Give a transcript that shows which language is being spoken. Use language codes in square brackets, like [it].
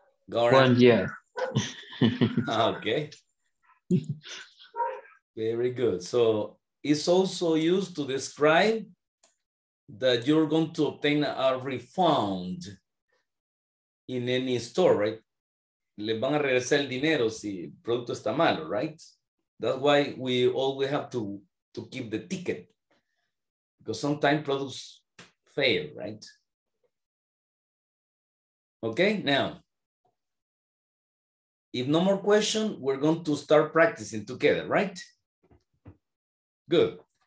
[en] Guarantee. 1 year. Okay. Very good. So it's also used to describe that you're going to obtain a refund in any store, right? [es] Le van a regresar el dinero si el producto está malo, right? [en] That's why we always have to keep the ticket, because sometimes products fail, right? Okay, now, if no more questions, we're going to start practicing together, right? Good.